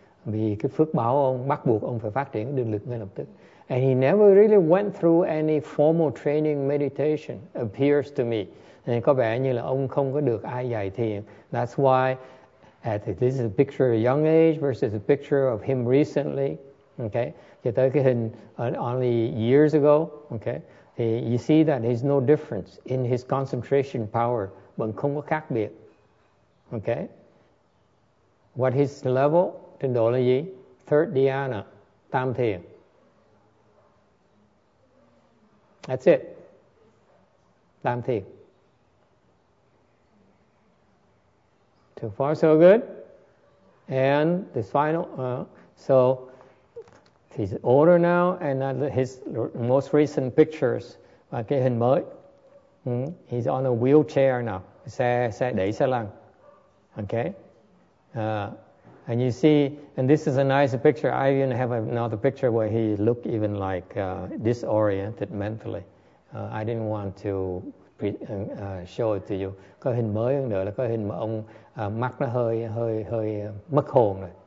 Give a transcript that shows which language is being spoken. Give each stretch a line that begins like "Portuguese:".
Vietnamese: Vì cái phước báo ông bắt buộc ông phải phát triển định lực ngay lập tức.
English: And he never really went through any formal training meditation, appears to me.
Vietnamese: And có vẻ như là ông không có được ai dạy thiền.
English: That's why this is a picture of young age versus a picture of him recently. Okay?
Vietnamese: Cho tới cái hình
English: only years ago. Okay? Thì you see that there's no difference in his concentration power.
Vietnamese: Vẫn không có khác biệt. Okay?
English: What his level?
Vietnamese: Trình độ là gì?
English: Third dhyana, tam thiền. That's it. Tam thiền. So far so good. And this final. So he's older now. And his most recent pictures.
Vietnamese: Cái hình mới.
English: He's on a wheelchair now.
Vietnamese: Xe đẩy xe lăn. Okay.
English: And you see. And this is a nice picture. I even have another picture where he looked even like disoriented mentally. I didn't want to show it to you.
Vietnamese: Có hình mới hơn nữa là có hình mà ông mắt nó hơi mất hồn rồi.